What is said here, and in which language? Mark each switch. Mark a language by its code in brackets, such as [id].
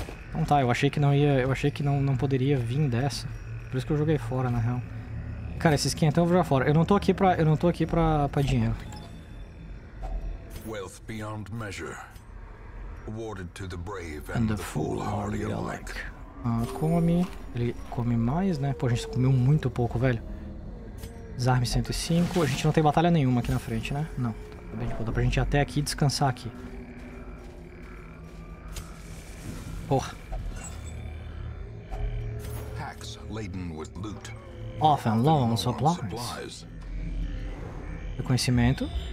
[pt] Então tá, eu achei que não ia. Eu achei que não poderia vir dessa. Por isso que eu joguei fora, na real. Cara, esse skin então eu vou jogar fora. Eu não tô aqui pra dinheiro. [en] Wealth beyond measure, awarded to the brave and the foolhardy alike. [pt] Come. Ele come mais, né? Pô, a gente comeu muito pouco, velho. Desarme 105. A gente não tem batalha nenhuma aqui na frente, né? Não. Pô, dá pra gente ir até aqui e descansar aqui. Porra. [en] Packs laden with loot. Often low on supplies. [pt] Reconhecimento.